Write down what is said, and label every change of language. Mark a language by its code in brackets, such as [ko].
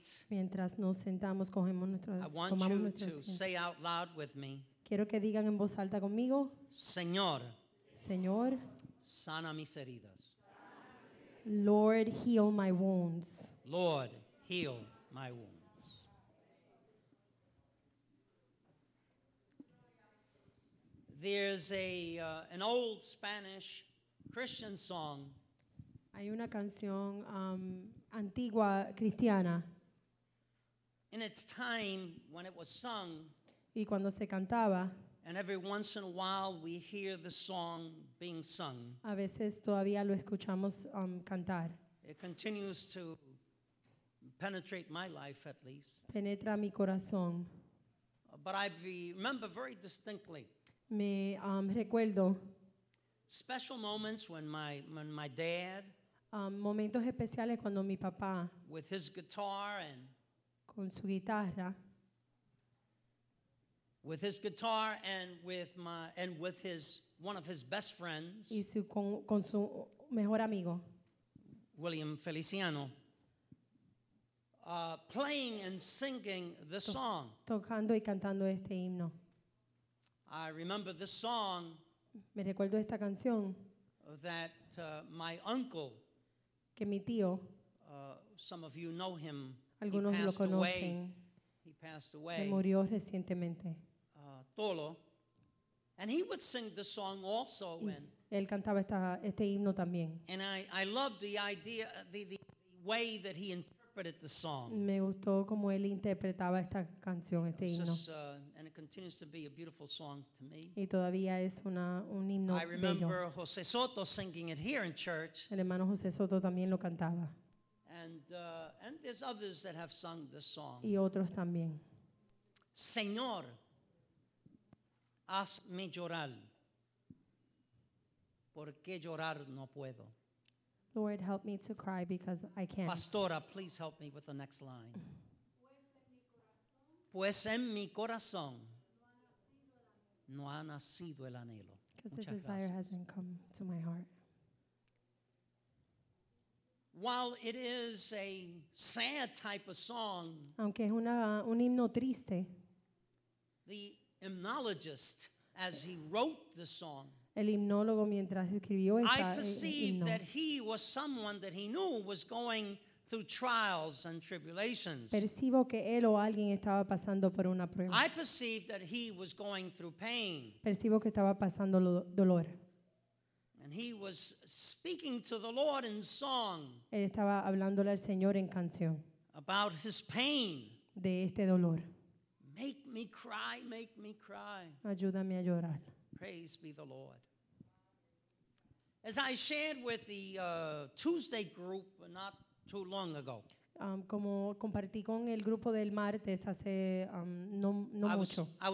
[es] mientras nos sentamos, cogemos nuestras, [en] I want you to say out loud with me. [es] Quiero que digan en voz alta conmigo. Señor. Señor. Sana mis heridas. [en] Lord, heal my wounds. Lord, heal my wounds. There's an old Spanish Christian song. [es] Hay una canción antigua cristiana. [en] In its time when it was sung, [es] y cuando se cantaba, [en] and every once in a while we hear the song being sung. [es] A veces todavía lo escuchamos cantar. [en] It continues to penetrate my life at least. [es] Penetra mi corazón. [en] But I remember very distinctly. [es] Me recuerdo [en] special moments when my dad, [es] momentos especiales cuando mi papá, [en] with his guitar and [es] con su guitarra, [en] with his guitar and with my and with his one of his best friends, [es] y su, con su mejor amigo, [en] William Feliciano, playing and singing the song, [es] tocando y cantando este himno. [en] I remember the song. [es] Me recuerdo esta canción [en] that my uncle, [es] que mi tío, [en] some of you know him. [es] Algunos lo conocen. [en] Away. He passed away. [es] Se murió recientemente. Tolo. [en] And he would sing the song also. [es] Él cantaba este himno también. [en] And I loved the idea, the way that he interpreted. interpreted the song. [es] Me gustó como él interpretaba esta canción, este himno. [en] And it continues to be a beautiful song to me. [es] Y todavía es un himno bello. [en] I remember [es] bello. [en] José Soto singing it here in church. [es] El hermano José Soto también lo cantaba. [en] And there's others that have sung this song. [es] Y otros también. Señor, hazme llorar. ¿Por qué llorar no puedo? [en] Lord, help me to cry because I can't. Pastora, please help me with the next line. [es] Pues en mi corazón no ha nacido el anhelo. [en] Because the desire hasn't come to my heart. While it is a sad type of song, [es] aunque es un himno triste, [en] the hymnologist, as he wrote the song, [es] el himnólogo mientras escribió esta, [en] I perceived [es] himno. [en] That he was someone that he knew was going through trials and tribulations. [es] Percibo que él o alguien estaba pasando por una prueba. [en] I perceived that he was going through pain. [es] Percibo que estaba pasando dolor. [en] And he was speaking to the Lord in song. [es] Él estaba hablándole al Señor en canción. [en] About his pain. [es] De este dolor. [en] Make me cry, make me cry. [es] Ayúdame a llorar. [en] Praise be the Lord. As I shared with the Tuesday group not too long ago, [es] como compartí con el grupo del martes hace no mucho.